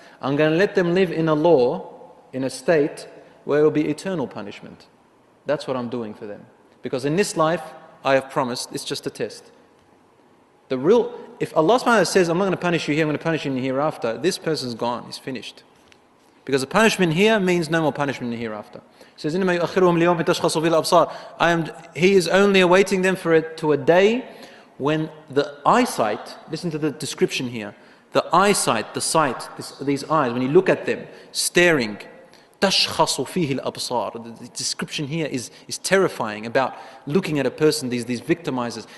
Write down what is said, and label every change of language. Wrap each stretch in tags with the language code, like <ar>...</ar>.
<en>I'm going to let them live in a law, in a state, where it will be eternal punishment. That's what I'm doing for them. Because in this life, I have promised, it's just a test. If Allah subhanahu wa ta'ala says, I'm not going to punish you here, I'm going to punish you in the hereafter, this person's gone, he's finished. Because the punishment here means no more punishment in the hereafter. He says,</en> <ar>إِنَّمَا يُؤَخِّرُهُمْ لِيَوْمٍ تَشْخَصُ فِيهِ الْأَبْصَارُ.</ar> <en>He is only awaiting them for it to a day when the eyesight, listen to the description here, the eyesight, the sight, these eyes, when you look at them, staring,</en> <ar>تَشْخَصُ فِيهِ الْأَبْصَارُ.</ar> <en>The description here is terrifying about looking at a person, these victimizers.</en>